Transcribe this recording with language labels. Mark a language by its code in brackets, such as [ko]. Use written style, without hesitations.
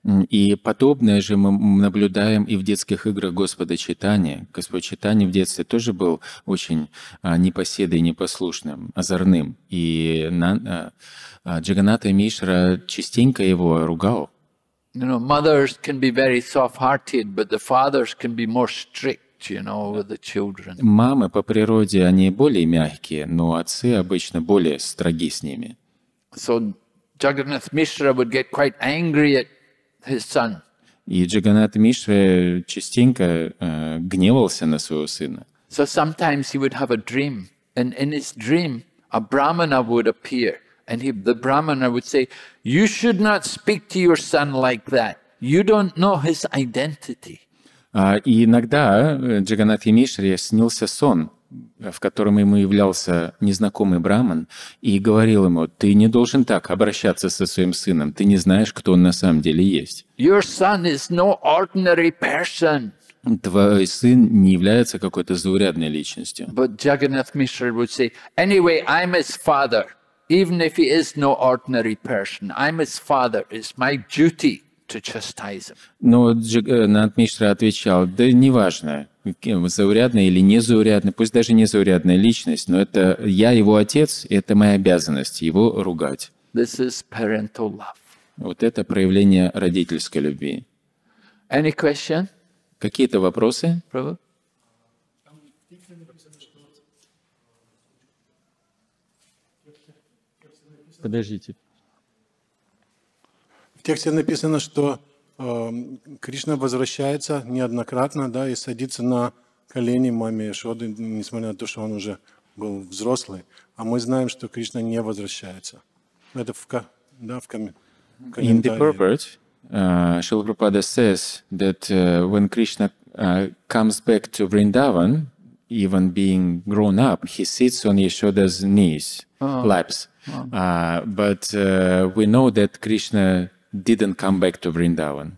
[ru] И подобное же мы наблюдаем и в детских играх Господа Чайтаньи. Господь Чайтанья в детстве тоже был очень непоседой, непослушным, озорным. И Джаганнатха Мишра частенько его ругал. [en] You know, mothers can be very soft-hearted, but the fathers can be more strict, you know, with the children. [ru] Мамы по природе, они более мягкие, но отцы обычно более строги с ними. [en] So Jagannath Mishra would get quite angry at his son. [ru] И Джаганнатха Мишра частенько гневался на своего сына. [en] So sometimes he would have a dream, and in his dream a brahmana would appear, and the brahmana would say, "You should not speak to your son like that. You don't know his identity." [ru] И иногда Джаганнатха Мишре снился сон, в котором ему являлся незнакомый браман и говорил ему, ты не должен так обращаться со своим сыном, ты не знаешь, кто он на самом деле есть. [en] Your son is no ordinary person. [ru] Твой сын не является какой-то заурядной личностью. [en] But Jagannath Mishra would say, anyway, I'm his father, even if he is no ordinary person, I'm his father, it's my duty to chastise him. [ru] Но Джаганнатха Мишра отвечал, да неважно, заурядная или незаурядная, пусть даже незаурядная личность, но это я его отец, и это моя обязанность его ругать. [en] This is parental love. [ru] Вот это проявление родительской любви. [en] Any question? [ru] Какие-то вопросы? [en] Prabhu? [ru] Подождите. В тексте написано, что Кришна возвращается неоднократно, да, и садится на колени маме Яшоды, несмотря на то, что он уже был взрослый. А мы знаем, что Кришна не возвращается. Это в комментарии. [en] In the purport, Шрила Прабхупада says that when Krishna comes back to Vrindavan, even being grown up, he sits on Yashoda's knees, laps. But we know that Krishna didn't come back to Vrindavan.